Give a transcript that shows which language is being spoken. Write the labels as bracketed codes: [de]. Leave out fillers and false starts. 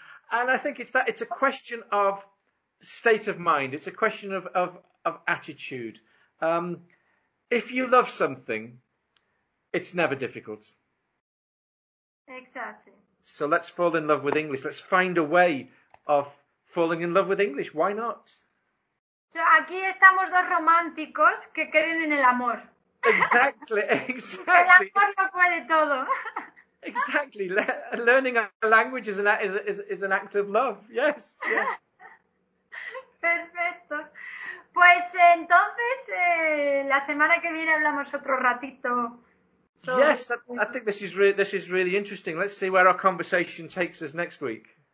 [en] And I think it's a question of state of mind. It's a question of attitude. If you love something, it's never difficult. Exactly. So let's fall in love with English. Let's find a way of falling in love with English. Why not? [es] So aquí estamos dos románticos que creen en el amor. [en] Exactly. [es] El amor lo puede todo. [en] Exactly. Learning a language is an act of love. Yes. [es] Perfecto. Pues entonces, la semana que viene hablamos otro ratito [en] So. Yes, I think this is really interesting. Let's see where our conversation takes us next week.